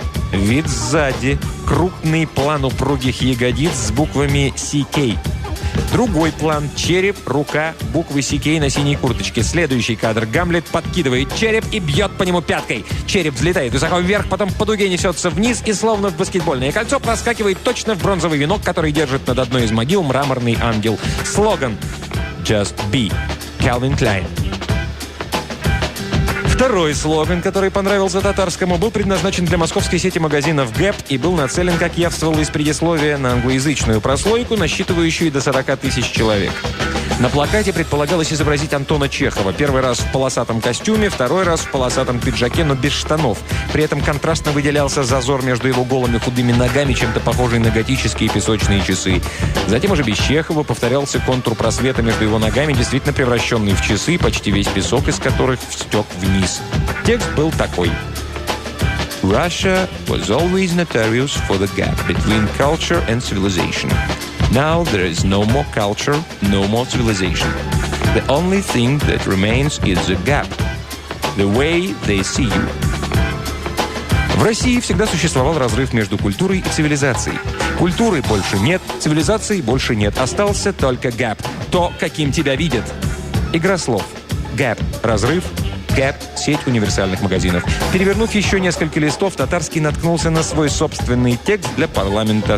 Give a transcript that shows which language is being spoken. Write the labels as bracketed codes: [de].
[ru] Вид сзади. Крупный план упругих ягодиц с буквами «СиКей». Другой план. Череп, рука, буквы «СиКей» на синей курточке. Следующий кадр. Гамлет подкидывает череп и бьет по нему пяткой. Череп взлетает высоко вверх, потом по дуге несется вниз и словно в баскетбольное кольцо проскакивает точно в бронзовый венок, который держит над одной из могил мраморный ангел. Слоган [en] «Just be» [ru] Calvin Klein. Второй слоган, который понравился Татарскому, был предназначен для московской сети магазинов «Гэп» и был нацелен, как явствовало из предисловия, на англоязычную прослойку, насчитывающую до 40 тысяч человек. На плакате предполагалось изобразить Антона Чехова. Первый раз в полосатом костюме, второй раз в полосатом пиджаке, но без штанов. При этом контрастно выделялся зазор между его голыми худыми ногами, чем-то похожий на готические песочные часы. Затем уже без Чехова повторялся контур просвета между его ногами, действительно превращенный в часы, почти весь песок из которых стек вниз. Текст был такой. [en] «Russia was always notorious for the gap between culture and civilization. Now there is no more culture, no more civilization. The only thing that remains is a gap. The way they see you». [ru] В России всегда существовал разрыв между культурой и цивилизацией. Культуры больше нет, цивилизации больше нет. Остался только gap. То, каким тебя видят. Игра слов. Gap – разрыв. Gap – сеть универсальных магазинов. Перевернув еще несколько листов, Татарский наткнулся на свой собственный текст для парламента.